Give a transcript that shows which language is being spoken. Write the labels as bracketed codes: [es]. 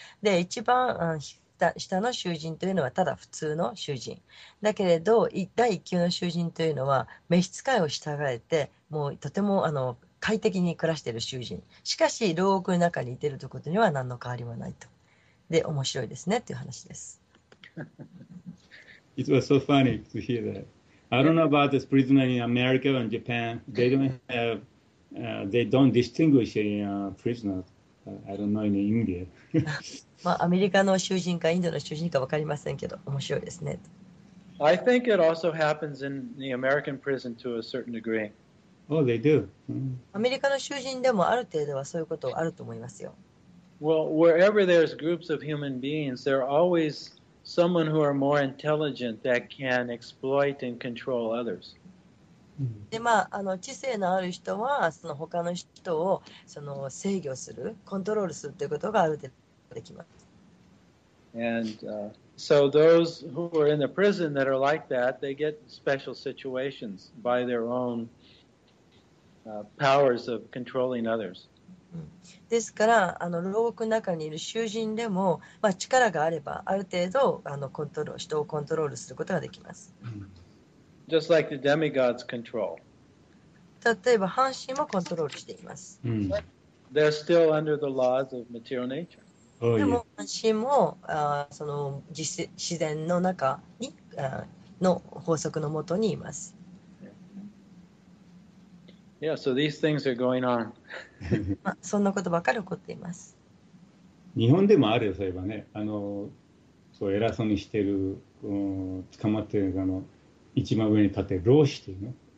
[ja] で、一番、あの、下の囚人というのはただ普通の囚人だけれど、第一級の囚人というのは召使いを従えて、もうとても、あの、快適に暮らしている囚人。しかし、牢獄の中にいているということには何の変わりもないと。で、面白いですねという話です。 [en] It was so funny to hear that. I don't know about this prisoner in America and Japan. They don't have, they don't distinguish prisoners. I don't know in India. [ja] まあ、アメリカの囚人かインドの囚人か分かりませんけど、面白いですね。 [en] I think it also happens in the American prison to a certain degree. Oh, they do. [ja] アメリカの囚人でもある程度はそういうことあると思いますよ。 [en] Well, wherever there's groups of human beings, there are always someone who are more intelligent that can exploit and control others. [ja] で、まあ、あの、知性のある人はその他の人をその制御する、コントロールするということがある程度できます。 [en] And, so those who are in the prison that are like that, they get special situations by their ownpowers of controlling others. [ja] ですから、あの、牢獄の中にいる囚人でも、まあ、力があれば、ある程度、あの、コントロール、人をコントロールすることができます。 [en] Just like the demigods control. [ja] 例えば、半身もコントロールしています。 [en] They're still under the laws of material nature. [ja] でも、半身も、その、自然の中に、の法則のもとにいます。 [en] Yeah, so these things are going on. [ja] まあ、そんなことばかり起こっています。日本でもあるよ、そういえばね。あの、そう、偉そうにしてる、捕まってるあの、一番上に立ってる老子っていうの。